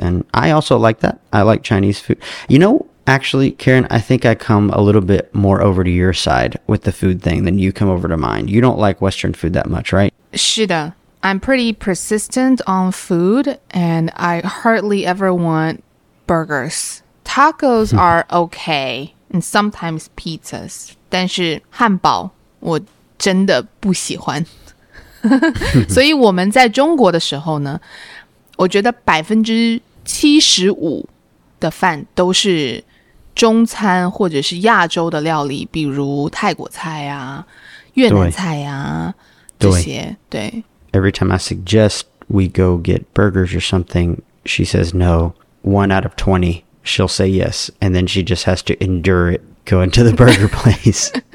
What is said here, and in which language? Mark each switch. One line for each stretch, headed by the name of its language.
English: And I also like that. I like Chinese food. You know, actually, Karen, I think I come a little bit more over to your side with the food thing than you come over to mine. You don't like Western food that much, right?
Chinese: 是的,
English: I'm pretty persistent on food, and I hardly ever want burgers. Tacos are okay, and sometimes pizzas.
Chinese: 但是汉堡我真的不喜欢。所以我们在中国的时候呢, 我觉得75%的饭都是 中餐或者是亚洲的料理，比如泰国菜啊、越南菜啊这些。对。Every
English: time I suggest we go get burgers or something, she says no. 1 out of 20, she'll say yes, and then she just has to endure it going to the burger place.